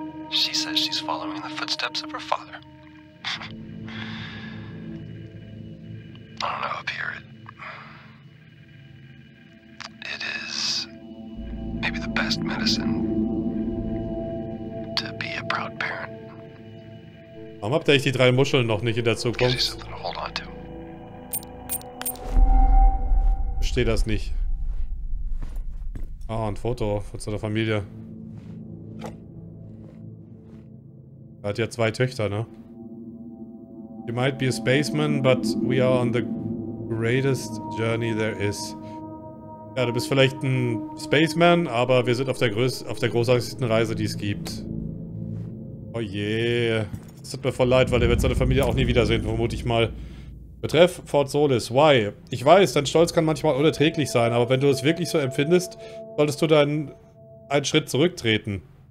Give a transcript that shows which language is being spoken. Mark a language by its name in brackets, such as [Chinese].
[English] She says she's following in the footsteps of her father. I don't know, up here, it is maybe the best medicine to be a proud parent. [German] Warum habt ihr euch die drei Muscheln noch nicht in der Zukunft? Verstehe das nicht. Ah, ein Foto von seiner Familie. Er hat ja zwei Töchter, ne? [English] You might be a spaceman, but we are on the greatest journey there is. [German] Ja, du bist vielleicht ein Spaceman, aber wir sind auf der großartigsten Reise, die es gibt. Oh je. Yeah. Das tut mir voll leid, weil er wird seine Familie auch nie wiedersehen, vermute ich mal. Betreff Fort Solis. [English] Why? [German] Ich weiß, dein Stolz kann manchmal unerträglich sein, aber wenn du es wirklich so empfindest, solltest du dann einen Schritt zurücktreten.